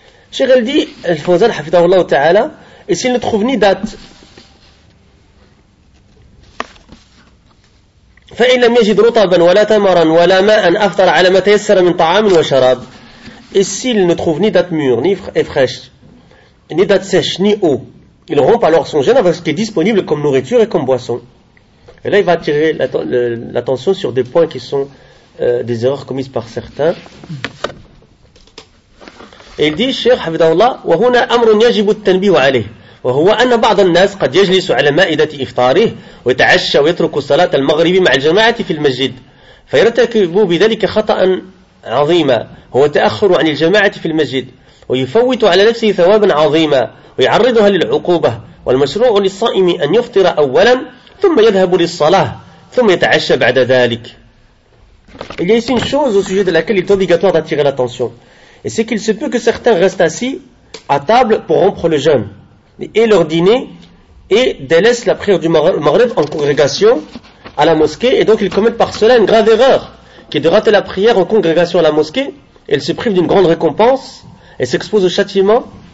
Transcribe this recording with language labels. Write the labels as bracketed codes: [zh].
[fr] Cheikh El dit, Al-Fawzan, hafidahullah ta'ala, et s'il ne trouve ni date, [ar] فَإِنْ لَمْ يَجِدْ رُطَبًا وَلَا تَمَرًا وَلَا مَاءً أَفْطَرَ عَلَى مَا تَيَسَّرَ مِنْ طَعَامٍ وَشَرَابٍ. [fr] Et s'il ne trouve ni date mûre, ni fraîche, ni date sèche, ni eau, il rompt alors son jeûne avec ce qui est disponible comme nourriture et comme boisson. Et là, il va attirer l'attention sur des points qui sont des erreurs commises par certains. Et il dit, Cheikh Hafidahullah, [ar] « وَهُنَا أَمْرٌ يَجِبُ التَّنْبِيهُ عَلَيْهِ وَهُوَ أَنَّ بَعْضَ النَّاسِ قَدْ يَجْلِسُ عَلَى مَائِدَةِ إِفْطَارِهِ وَيَتَعَشَّى وَيَتْرُكُ صَلَاةَ الْمَغْرِبِ مَعَ الْجَمَاعَةِ فِي الْمَسْجِدِ فَيَرْتَكِبُ بِذَلِكَ خَطَأً عَظِيمًا هُوَ تَأَخُّرُ عَنِ الْجَمَاعَةِ فِي الْمَسْجِدِ وَيُفَوِّتُ عَلَى نَفْسِهِ ثَوَابًا عَظِيمًا وَيُعَرِّضُهَا لِلْعُقُوبَةِ وَالْمَشْرُوعُ لِلصَّائِمِ أَنْ يُفْطِرَ أَوَّلًا ثُمَّ يَذْهَبُ لِلصَّلَاةِ ثُمَّ يَتَعَشَّى بَعْدَ ذَلِكَ. [fr] Il y a ici une chose au sujet de laquelle il est obligatoire d'attirer l'attention. Et c'est qu'il se peut que certains restent assis à table pour rompre le jeûne et leur dîner, et délaissent la prière du Maghrib en congrégation à la mosquée, et donc ils commettent par cela une grave erreur, qui est de rater la prière en congrégation à la mosquée, et ils se privent d'une grande récompense, et s'exposent au châtiment.